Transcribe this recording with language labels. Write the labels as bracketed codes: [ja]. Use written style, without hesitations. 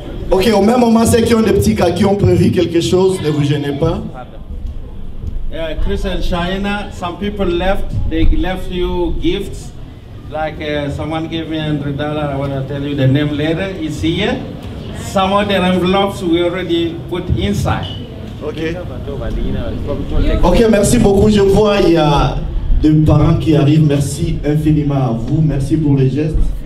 [fr] Ok, au même moment, ceux qui ont des petits cas qui ont prévu quelque chose, ne vous gênez pas. [en] Chris and Cheyenne, some people left, they left you gifts. Like someone gave me $100, I want to tell you the name later, it's here. Some of the envelopes we already put inside. Ok. [fr] Ok, merci beaucoup, je vois il y a des parents qui arrivent, merci infiniment à vous, merci pour les gestes.